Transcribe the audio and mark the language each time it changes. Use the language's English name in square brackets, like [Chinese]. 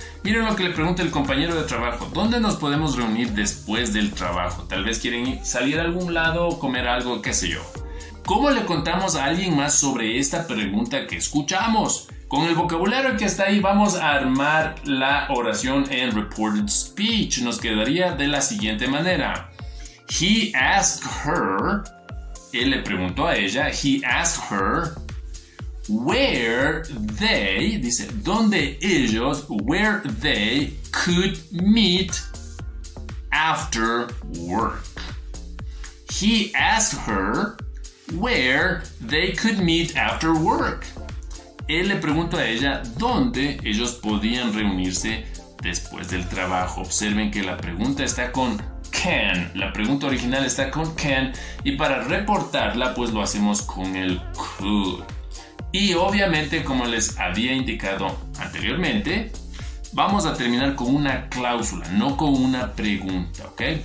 [Spanish] Miren lo que le pregunta el compañero de trabajo. ¿Dónde nos podemos reunir después del trabajo? Tal vez quieren salir a algún lado o comer algo, qué sé yo. ¿Cómo le contamos a alguien más sobre esta pregunta que escuchamos? Con el vocabulario que está ahí, vamos a armar la oración en reported speech. Nos quedaría de la siguiente manera. [English] He asked her, [Spanish] él le preguntó a ella, [English] he asked her, where they, [Spanish] dice, donde ellos, [English] where they could meet after work. He asked her where they could meet after work. [Spanish] Él le preguntó a ella dónde ellos podían reunirse después del trabajo. Observen que la pregunta está con can. La pregunta original está con can. Y para reportarla, pues lo hacemos con el could. Y obviamente, como les había indicado anteriormente, vamos a terminar con una cláusula, no con una pregunta, ¿ok?